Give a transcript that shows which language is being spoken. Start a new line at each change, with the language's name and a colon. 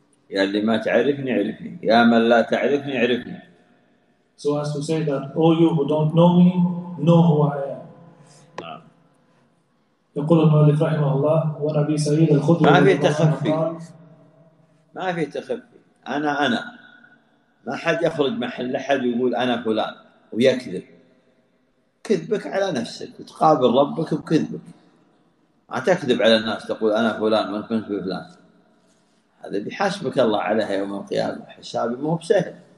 Arabic: يا اللي ما تعرفني عرفني، يا من لا تعرفني عرفني.
English: So as to say that, oh you who don't know me, know who I am.
Arabic: يقول المؤلف رحمه الله: ونبي سعيد الخدري. ما في تخفي. ما في تخفي، أنا أنا، ما حد يخرج محل أحد يقول أنا فلان ويكذب. كذبك على نفسك وتقابل ربك بكذبك، ما تكذب على الناس تقول أنا فلان وأنا كنت بفلان، هذا بيحاسبك الله عليها يوم القيامة، حساب مو بسهل.